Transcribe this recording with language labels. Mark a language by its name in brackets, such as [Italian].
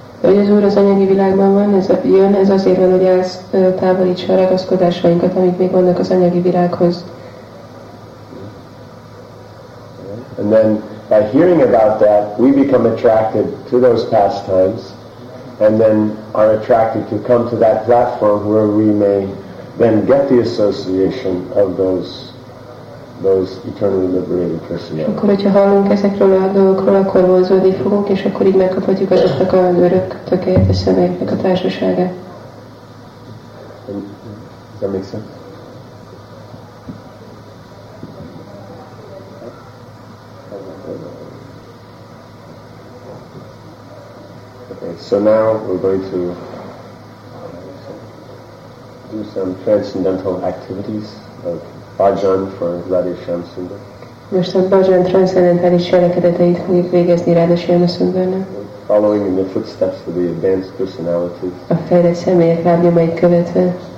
[Hungarian] Hogy az Úr az anyagi világban van, ez jön, ez azért van, hogy eltávolítsa a ragaszkodásainkat, amik még vannak az anyagi világhoz. [English] And then by hearing about that, we become attracted to those pastimes, and then are attracted to come to that platform where we may then get the association of those eternally liberated personalities. [Hungarian] Akkor, hogyha hallunk ezekről a dolgokról, akkor vonzódni fogunk, és akkor így megkaphatjuk azoknak a örök tökéletes személyeknek a társaságát. [English] Does that make sense? Okay, so now we're going to do some transcendental activities of bhajan for Radha Shyamasundara. [Hungarian] Most a bhajan transzendentális cselekedeteit fogjuk végezni Radha Shyamasundarnak. [English] Following in the footsteps of the advanced personalities. [Hungarian] A fejlett személyek lábnyomait követve.